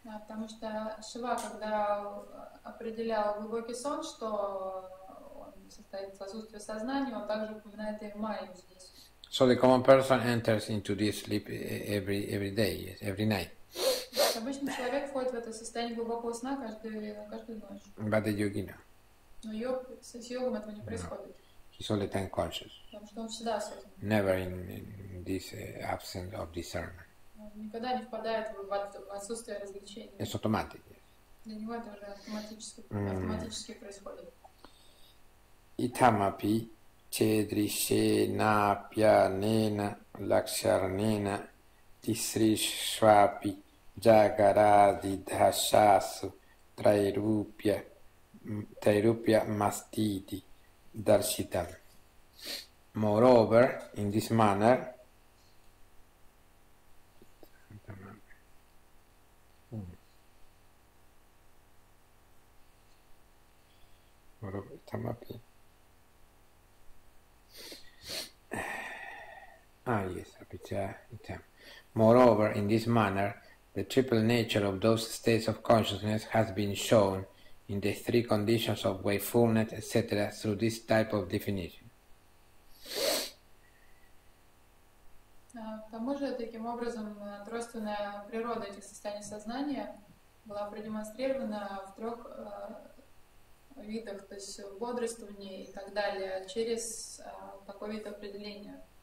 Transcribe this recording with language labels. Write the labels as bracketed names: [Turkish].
[Russian] Потому что Шива, когда определял глубокий сон, что он состоит в отсутствии сознания, он также упоминает и Майю здесь. [English] So the common person enters into this sleep every day, yes, every night. [Russian] Обычный человек входит в это состояние глубокого сна каждую ночь. [English] But the yogi, no. [Russian] Но йог, с йогом этого не происходит. [English] He's only time conscious. [Russian] Потому что он всегда осознан. [English] Never in this absence of discernment. [Russian] Никогда не впадает в отсутствие развлечений. [English] It's automatic. [Russian] Для него это уже автоматически происходит. [Sanskrit] Итамапи чедришена пьянена лакшарнена тисришвапи джагаради дхашасу трайрупья мастити даршитам. [English] Moreover, in this manner, moreover, in this manner, the triple nature of those states of consciousness has been shown in the three conditions of wakefulness, etc., through this type of definition. [Russian] К тому же, таким образом, тройственная природа этих состояний сознания была продемонстрирована в трех видах, то есть бодрствование и так далее, через такой вид определения.